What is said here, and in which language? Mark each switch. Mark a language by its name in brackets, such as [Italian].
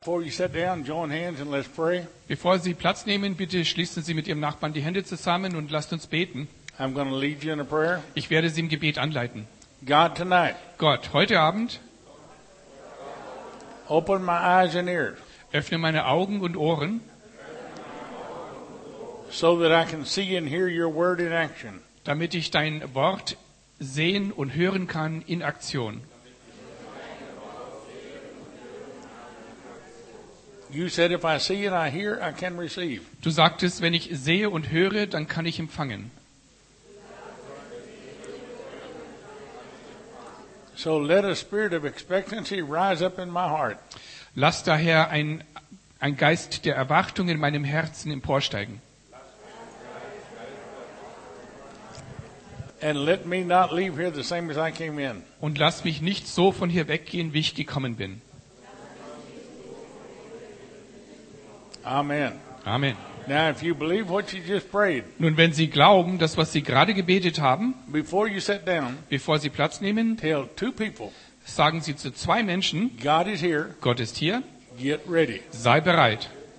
[English] Before you sit down, join hands and let's pray. [German] Bevor Sie Platz nehmen, bitte schließen Sie mit Ihrem Nachbarn die Hände zusammen und lasst uns beten. [English] I'm going to lead you in a prayer. [German] Ich werde Sie im Gebet anleiten. [English] God, tonight. [German] Gott, heute Abend. [English] Open my eyes and ears. [German] Öffne meine Augen und Ohren. [English] So that I can see and hear your word in action. [German] Damit ich dein Wort sehen und hören kann in Aktion. [English] You said if I see and I hear, I can receive. [German] Du sagtest, wenn ich sehe und höre, dann kann ich empfangen. [English] So let a spirit of expectancy rise up in my heart. [German] Lass daher ein Geist der Erwartung in meinem Herzen emporsteigen. [English] And let me not leave here the same as I came in. [German] Und lass mich nicht so von hier weggehen, wie ich gekommen bin. [English] Amen. [German] Amen. [English] Now, if you believe what you just prayed, [German] nun, wenn Sie glauben, das, was Sie gerade gebetet haben, [English] before you sit down, [German] bevor Sie Platz nehmen, [English] tell two people, [German] sagen Sie zu zwei Menschen, [English] God is here, [German] Gott ist hier, [English] get ready. [German] Sei bereit.